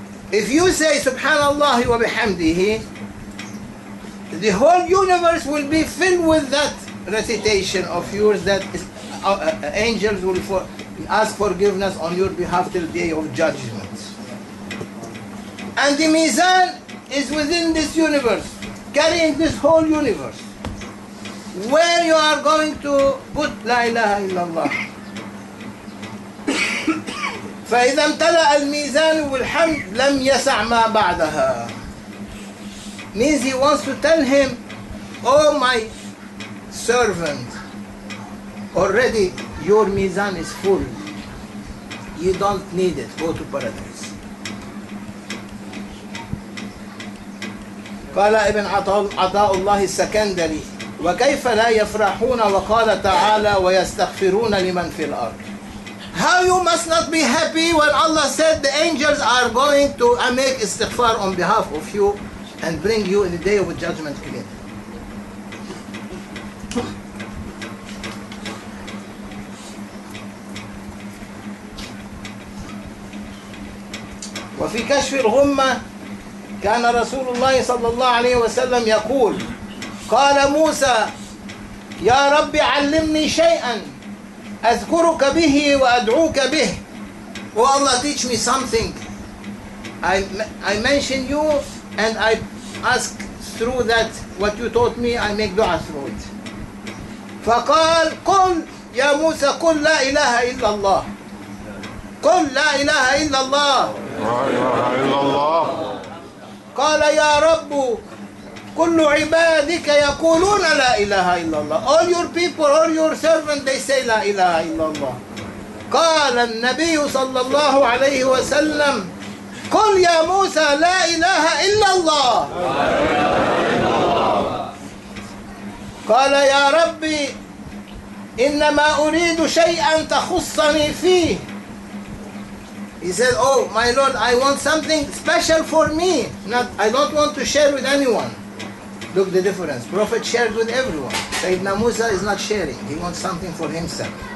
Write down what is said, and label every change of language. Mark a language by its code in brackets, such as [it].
[en] If you say [ar] Subhanallah wa bihamdihi, [en] the whole universe will be filled with that recitation of yours that is, angels will ask forgiveness on your behalf till the day of judgment. And the Mizan is within this universe, carrying this whole universe. Where you are going to put [ar] La ilaha illallah? فإذا امتلأ الميزان والحمد لم يسع ما بعدها. [en] Means he wants to tell him, oh my servant, already your ميزان is full. You don't need it. Go to paradise. [ar] قال ابن عطاء الله السكندري وكيف لا يفرحون وقال تعالى ويستغفرون لمن في الأرض. [en] How you must not be happy when Allah said the angels are going to make istighfar on behalf of you and bring you in the day of judgment clean. [ar] وفي كشف الغمة كان رسول الله صلى الله عليه وسلم يقول قال موسى يا ربي علمني شيئا أذكرك به وأدعوك به. [en] Oh Allah, teach me something. I mention you and I ask through that what you taught me, I make dua through it. [ar] فقال قل يا موسى قل لا إله إلا الله. قل لا إله إلا الله. لا إله إلا الله. قال يا رب كل عبادك يقولون لا إله إلا الله. [en] All your people, all your servants, they say [ar] لا إله إلا الله. قال النبي صلى الله عليه وسلم قل يا موسى لا إله إلا الله. قال يا ربي إنما أريد شيئا تخصني فيه. [en] He said, oh my Lord, I want something special for me. Not, I don't want to share with anyone. Look the difference. Prophet shared with everyone. Sayyidina Musa is not sharing. He wants something for himself.